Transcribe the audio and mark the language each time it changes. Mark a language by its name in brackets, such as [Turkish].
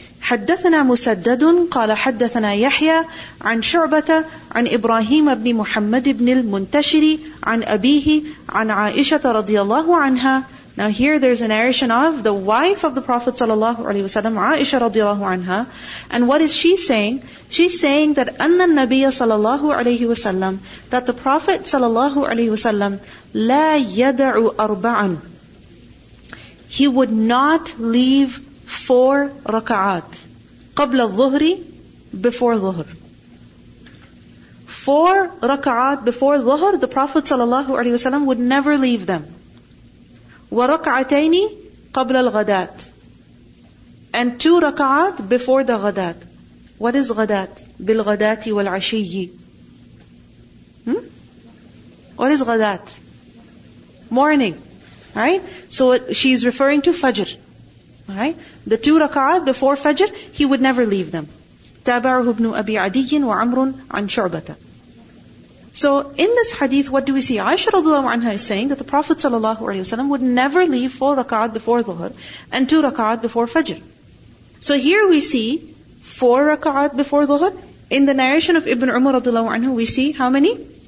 [Arabic] حدثنا مسدد قال حدثنا يحيى عن شعبة عن إبراهيم بن محمد بن المنتشري عن أبيه عن عائشة رضي الله عنها. [English] Now here there's a narration of the wife of the Prophet sallallahu alaihi wasallam, Aisha radiallahu anha. And what is she saying? She's saying that [Arabic] anna nabiyya [English] sallallahu alaihi wasallam, that the Prophet sallallahu alaihi wasallam [Arabic] la yada'u arba'an. [English] He would not leave 4 raka'at. [Arabic] Qabla dhuhri, [English] before dhuhr. 4 raka'at before dhuhr, the Prophet sallallahu alaihi wasallam would never leave them. [Arabic] وَرَكْعَتَيْنِ قَبْلَ الْغَدَاتِ. [English] And 2 raka'at before the ghadat. What is ghadat? [Arabic] بِالْغَدَاتِ وَالْعَشِيِّ. [English] What is ghadat? Morning. Right? So she's referring to fajr. Right? The 2 raka'at before fajr, he would never leave them. [Arabic] تَابَعُهُ بْنُ أَبِي عَدِيٍ وَعَمْرٌ عَنْ شُعْبَةَ. [English] So in this hadith, what do we see? Aisha radhiallahu anha is saying that the Prophet sallallahu alaihi wasallam would never leave 4 raka'at before dhuhr and 2 raka'at before fajr. So here we see 4 raka'at before dhuhr. In the narration of Ibn Umar radhiallahu anhu, we see how many?